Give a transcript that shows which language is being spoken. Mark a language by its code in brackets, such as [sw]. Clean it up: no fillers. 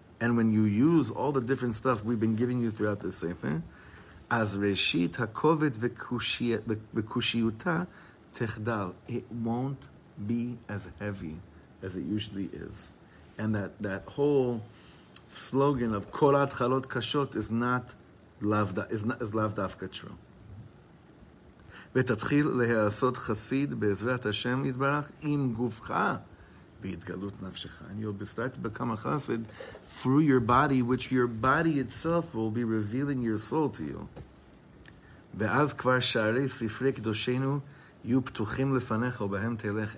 [en] And when you use all the different stuff we've been giving you throughout this sefer, as [he] reshit hakovet v'kushiyuta techdal, [en] it won't be as heavy as it usually is. And that whole slogan of [he] kol atchalot kashot [en] is not lavdafka true. [he] ותתחיל להיעשות חסיד בעזרת השם יתברך עם גופך בהתגלות נפשך. [en] And you'll be starting to become a chassid through your body, which your body itself will be revealing your soul to you. [he] ואז כבר שערי ספרי קדושנו יהיו פתוחים לפניך ובהם תלך.